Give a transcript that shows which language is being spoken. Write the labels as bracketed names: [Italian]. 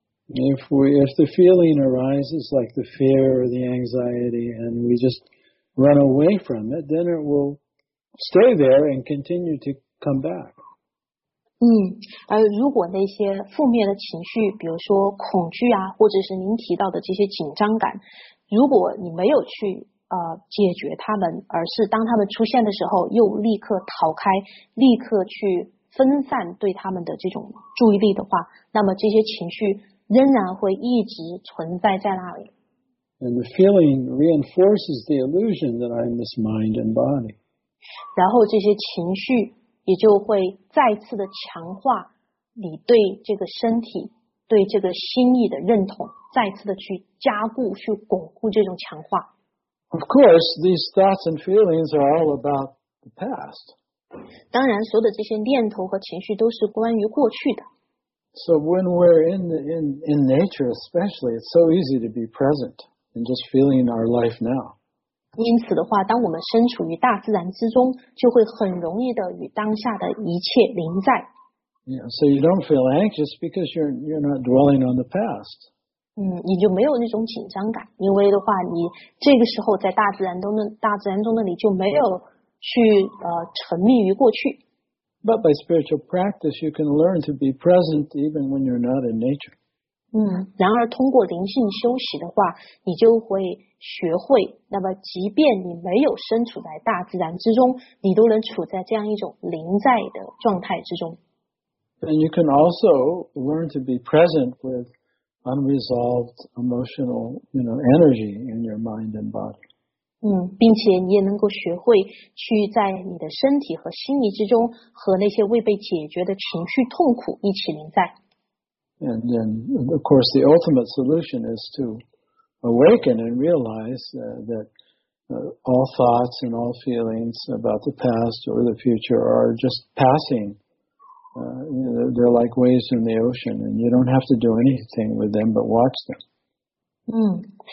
[English] If the feeling arises like the fear or the anxiety and we just run away from it, then it will stay there and continue to come back. [Chinese] 而如果那些负面的情绪，比如说恐惧啊，或者是您提到的这些紧张感，如果你没有去解决他们，而是当他们出现的时候又立刻逃开，立刻去分散对他们的这种注意力的话，那么这些情绪仍然会一直存在在那里。 [English] And the feeling reinforces the illusion that I'm this mind and body. [Chinese] 然后这些情绪也就会再次的强化你对这个身体、对这个心意的认同，再次的去加固、去巩固这种强化。 [English] Of course, these thoughts and feelings are all about the past. [Chinese] 当然，所有的这些念头和情绪都是关于过去的。 [English] So when we're in nature, especially, it's so easy to be present and just feeling our life now. [Chinese] 因此的话，当我们身处于大自然之中，就会很容易的与当下的一切临在。 [English] Yeah, so you don't feel anxious because you're not dwelling on the past. [Chinese] 你就没有那种紧张感，因为的话，你这个时候在大自然中的你就没有去沉迷于过去。 [English] But by spiritual practice, you can learn to be present even when you're not in nature. [Chinese] 然而通过灵性修习的话，你就会学会，那么即便你没有身处在大自然之中，你都能处在这样一种临在的状态之中。 [English] And you can also learn to be present with unresolved emotional, you know, energy in your mind and body. [Chinese] 并且你也能够学会去在你的身体和心理之中和那些未被解决的情绪痛苦一起临在。 [English] And then, of course, the ultimate solution is to awaken and realize that all thoughts and all feelings about the past or the future are just passing. They're like waves in the ocean, and you don't have to do anything with them but watch them.